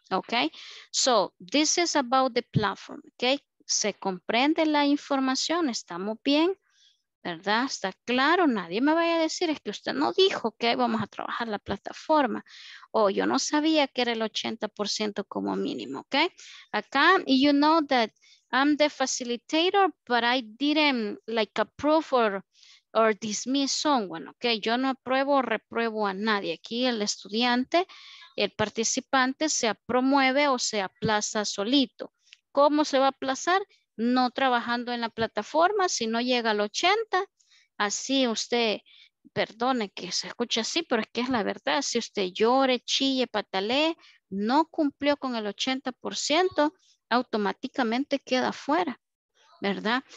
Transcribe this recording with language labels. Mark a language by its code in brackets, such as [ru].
[en] Ok, so this is about the platform. Ok, [es] se comprende la información, estamos bien, ¿verdad? Está claro, nadie me vaya a decir, es que usted no dijo que vamos a trabajar la plataforma. O yo no sabía que era el 80% como mínimo, ¿ok? [en] Acá, you know that I'm the facilitator, but I didn't like approve or dismiss someone, ¿ok? [es] Yo no apruebo o repruebo a nadie. Aquí el estudiante, el participante se promueve o se aplaza solito. ¿Cómo se va a aplazar? No trabajando en la plataforma, si no llega al 80, así usted, perdone que se escuche así, pero es que es la verdad, si usted llore, chille, patalee, no cumplió con el 80%, automáticamente queda fuera, ¿verdad?